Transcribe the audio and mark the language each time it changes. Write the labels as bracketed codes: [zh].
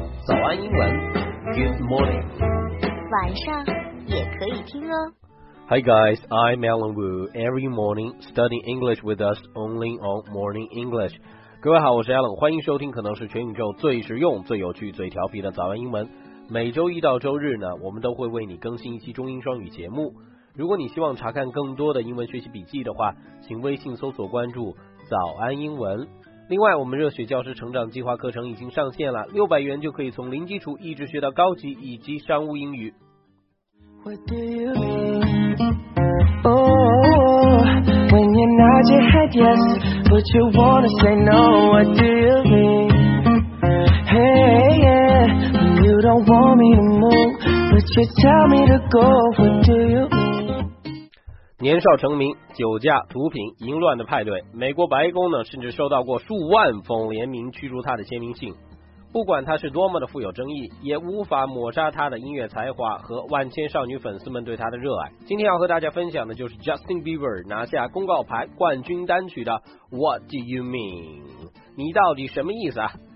[zh] 早安英文 ， [en] Good morning。 [zh] 晚上也可以听哦。 [en] Hi guys, I'm Alan Wu. Every morning, study English with us only on Morning English. [zh] 各位好，我是 Alan， 欢迎收听可能是全宇宙最实用、最有趣、最调皮的早安英文。每周一到周日呢，我们都会为你更新一期中英双语节目。如果你希望查看更多的英文学习笔记的话，请微信搜索关注早安英文。另外，我们热血教师成长计划课程已经上线了，600元就可以从零基础一直学到高级以及商务英语。 [en] What do you mean? Oh, when you nod your head yes, but you wanna say no, what do you mean? Hey, yeah, you don't want me to move, but you tell me to go, what do you mean? [zh] 年少成名，酒驾、毒品、淫乱的派对，美国白宫呢甚至收到过数万封联名驱逐他的签名信。不管他是多么的富有争议，也无法抹杀他的音乐才华和万千少女粉丝们对他的热爱。今天要和大家分享的就是 Justin Bieber 拿下公告牌冠军单曲的 What Do You Mean， 你到底什么意思啊。